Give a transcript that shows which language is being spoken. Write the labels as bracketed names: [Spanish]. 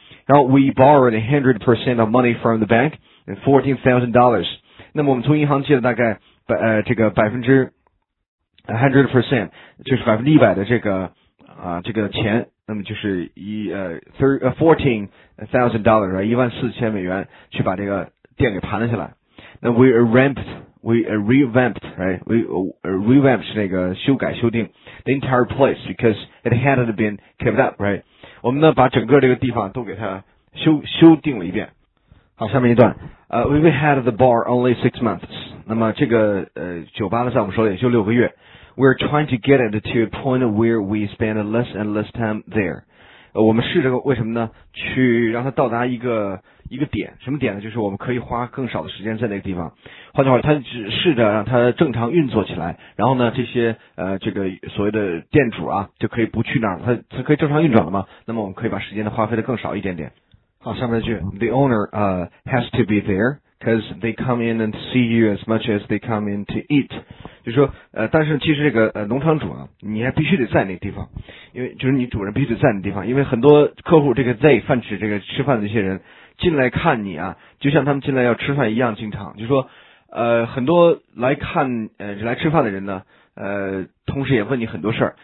[English] Now, we borrowed 100% of money from the bank, and $14,000. [Chinese] 那么我们从银行借了大概这个百分之 100%, 就是100%的这个这个钱，那么就是$14,000, right, 14,000美元去把这个店给盘了下来。 [English] 那 we revamped [Chinese] 是那个修改修订 [English] the entire place because it hadn't been kept up, right? [Chinese] 我们呢把整个这个地方都给它修订了一遍。好，下面一段。 [English] We had the bar only 6 months. [Chinese] 那么这个酒吧呢在我们手里也就六个月。 [English] We're trying to get it to a point where we spend less and less time there. [Chinese] 我们试着为什么呢？去让它到达一个点，什么点呢？就是我们可以花更少的时间在那个地方。换句话说，他只试着让它正常运作起来，然后呢，这些这个所谓的店主啊，就可以不去那儿了，他可以正常运转了嘛。那么我们可以把时间呢花费的更少一点点。好，下面一句 [English] ，The owner has to be there because they come in and see you as much as they come in to eat。 [Chinese] 就是说，但是其实这个农场主呢，你还必须得在那个地方，因为就是你主人必须得在那个地方，因为很多客户这个在饭吃这个吃饭的一些人进来看你啊，就像他们进来要吃饭一样，经常就是说，很多来看来吃饭的人呢，同时也问你很多事儿。